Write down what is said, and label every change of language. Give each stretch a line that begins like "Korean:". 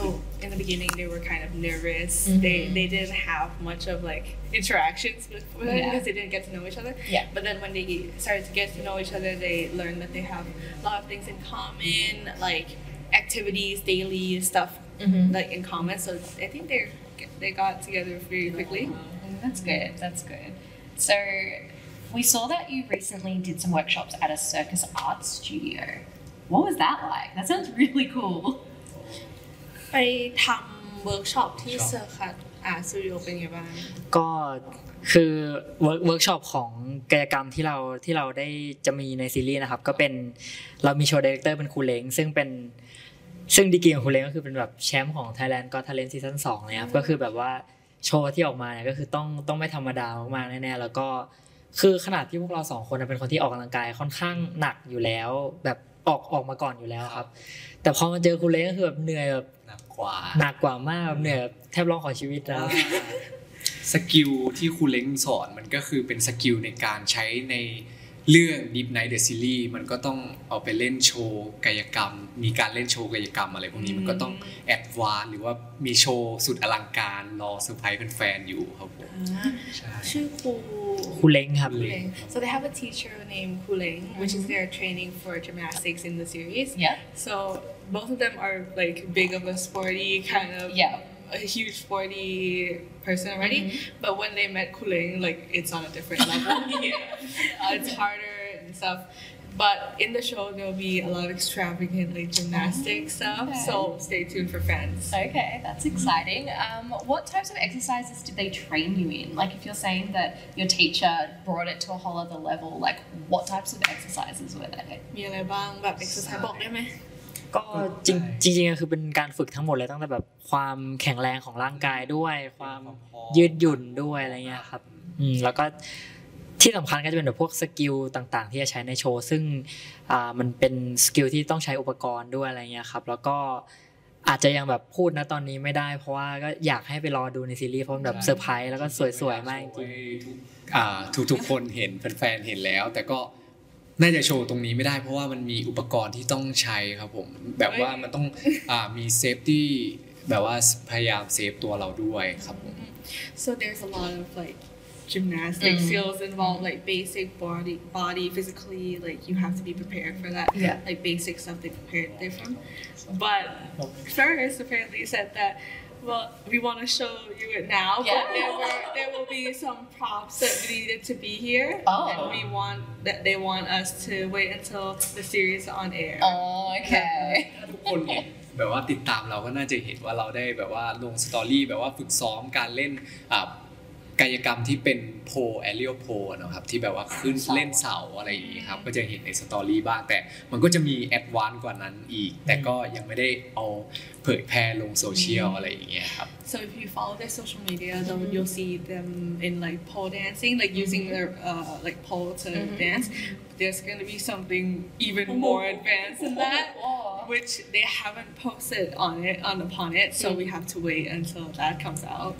English: So in the beginning they were kind of nervous they didn't have much of like interactions with them because they didn't get to know each other but then when they started to get to know each other they learned that they have a lot of things in common like activities daily stuff like in common so I think they got together very quickly that's good soWe saw that you recently did some workshops at a circus art studio. What was that like? That sounds really cool.
Thai: ไปทำเวิร์กช็อปที่เซอร์คัสอาร์ตสตูดิโอเป็นยังไงบ้ าง ก็คือเวิร์กช็อปของกิจกรรมที่เราได้จะมีในซีรีส์นะครับก็เป็นเรามีโชว์ไดเรคเตอร์เป็นครูเล้งซึ่งดีกรีของครูเล้งก็คือเป็นแบบแชมป์ของ Thailand Got Talent Season 2นะครับก็คือแบบว่าโชว์ที่ออกมาเนี่ยก็คือต้องไม่ธรรมดามากแน่ๆแล้วก็คือขนาดที่พวกเรา2คนเป็นคนที่ออกกําลังกายค่อนข้างหนักอยู่แล้วแบบออกมาก่อนอยู่แล้วครับแต่พอมาเจอครูเล้งก็คือแบบเหนื่อยแบบ หนักกว่าม ากแบบเหนื่อยแทบร้องขอชีวิตแล้ว สกิลที่ครูเล้งสอนมันก็คือเป็นสกิลในการใช้ในเรื่อง Deep Night The Series มันก็ต้องเอาไปเล่นโชว์กายกรรมมีการเล่นโชว์กายกรรมอะไรพวกนี้มันก็ต้องแอดวานซ์หรือว่ามีโชว์สุดอลังการรอเซอร์ไพรส์แฟนๆอยู่ครับผม ชื่อครู Kuleng, ครับ
English: Kuleng. So they have a teacher named Kuleng, which is their training for gymnastics in the series. Yeah. So both of them are like big of a sporty kind of, a huge sporty person already. But when they met Kuleng, like it's on a different level. It's harder and stuff. But in the show, there'll be a lot of extravagant like gymnastics stuff. Okay. So stay tuned for fans. Okay, that's exciting. What types of exercises did they train you in? Like if you're saying that your teacher brought it to a whole other level, like what types of exercises were they?
Thai: มีอะไรบ้างแบบ exercise บอกได้ไหม ก็จริงๆก็คือเป็นการฝึกทั้งหมดเลยตั้งแต่แบบความแข็งแรงของร่างกายด้วยความยืดหยุ่นด้วยอะไรเงี้ยครับแล้วก็ที่สําคัญก็จะเป็นพวกสกิลต่างๆที่จะใช้ในโชว์ซึ่งมันเป็นสกิลที่ต้องใช้อุปกรณ์ด้วยอะไรเงี้ยครับแล้วก็อาจจะยังแบบพูดนะตอนนี้ไม่ได้เพราะว่าก็อยากให้ไปรอดูในซีรีส์เพราะแบบเซอร์ไพรส์แล้วก็สวยๆมากจริง ทุกๆคนเห็นแฟนๆเห็นแล้วแต่ก็น่าจะโชว์ตรงนี้ไม่ได้เพราะว่ามันมีอุปกรณ์ที่ต้องใช้ครับผมแบบว่ามันต้องมีเซฟตี้แบบว่าพยายามเซฟตัวเราด้วยครับผม
English: So there's a lot of likeGymnastic skills involve like basic body physically like you have to be prepared for that like basic stuff they prepared there from but Ferris apparently said that well we want to show you it now but there will be some props that needed to be here and they want us to wait until the series on air okay
Thai: แบบว่าติดตามเราก็น่าจะเห็นว่าเราได้แบบว่าลงสตอรี่แบบว่าฝึกซ้อมการเล่นกายกรรมที่เป็นโพแอริโอโพนะครับที่แบบว่าขึ้นเล่นเสาอะไรอย่างนี้ครับก็จะเห็นในสตอรี่บ้างแต่มันก็จะมีแอดวานซ์กว่านั้นอีกแต่ก็ยังไม่ได้เอาเผยแพร่ลงโซเชียลอะไรอย่างเงี้ยครับ
English: So if you follow their social media though you'll see them in like pole dancing like using their like pole to dance there's going to be something even more advanced than that which they haven't posted on it so we have to wait until that comes out.